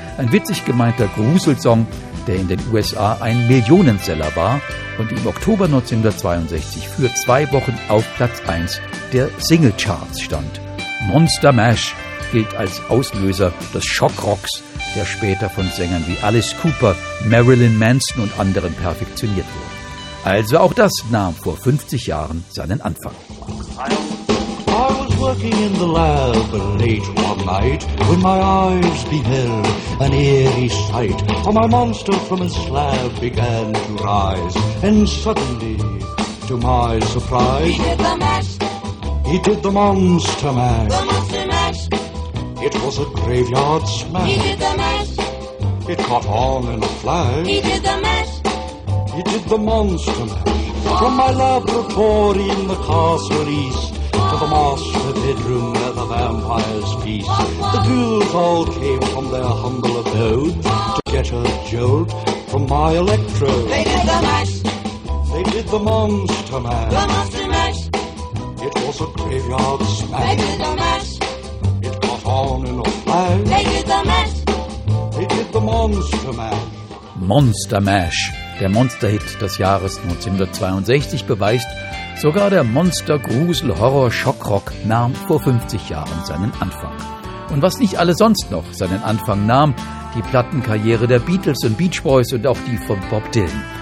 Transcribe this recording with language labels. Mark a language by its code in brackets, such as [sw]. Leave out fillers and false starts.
[de] Ein witzig gemeinter Gruselsong, der in den USA ein Millionenseller war und im Oktober 1962 für 2 Wochen auf Platz 1 der Singlecharts stand. Monster Mash gilt als Auslöser des Schockrocks, der später von Sängern wie Alice Cooper, Marilyn Manson und anderen perfektioniert wurde. Also auch das nahm vor 50 Jahren seinen Anfang. [en] I was working in the lab late one night when my eyes beheld an eerie sight. For my monster from its slab began to rise, and suddenly, to my surprise, he did the mash. He did the monster mash. The monster mash. It was a graveyard smash. He did the mash. It caught on in a flash. He did the mash. He did the monster mash. From my laboratory in the castle east to the master bedroom where the vampires feast. The ghouls all came from their humble abode to get a jolt from my electrode. They did the mash. They did the monster mash. The monster mash. It was a graveyard smash. They did the mash. It got on in a flash. They did the mash. They did the monster mash. Monster Mash. [de] Der Monsterhit des Jahres 1962 beweist, sogar der Monster-Grusel-Horror-Schockrock nahm vor 50 Jahren seinen Anfang. Und was nicht alle sonst noch seinen Anfang nahm, die Plattenkarriere der Beatles und Beach Boys und auch die von Bob Dylan.